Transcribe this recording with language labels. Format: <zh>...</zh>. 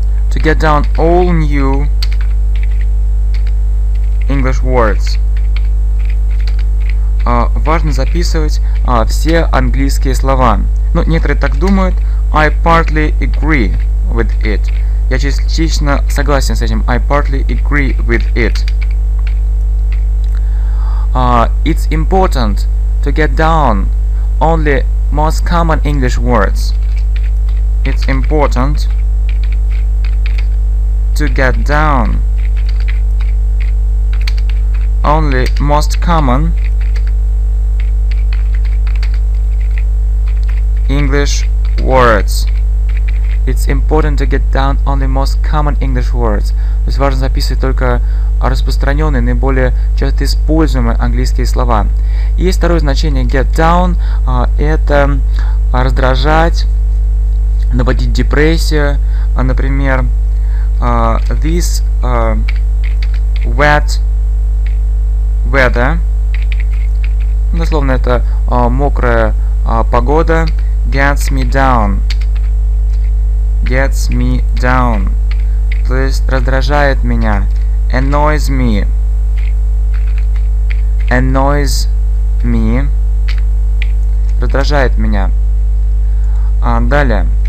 <en>To get down all new English words.</en> <ru>Важно записывать все английские слова. Ну, некоторые так думают.</ru> <en>I partly agree with it.</en> <ru>Я частично согласен с этим.</ru> <en>I partly agree with it. It's important to get down only most common English words. It's important to get down only most common English words. It's important to get down only most common English words.</en> <ru>То есть важно записывать только распространенные, наиболее часто используемые английские слова. И второе значение get down это раздражать, наводить депрессию, например.</ru> <en>This wet weather,</en> <ru>дословно это мокрая погода,</ru> <en>gets me down, gets me down,</en> <ru>то есть раздражает меня,</ru> <en>annoys me, annoys me,</en> <ru>раздражает меня. Далее.</ru>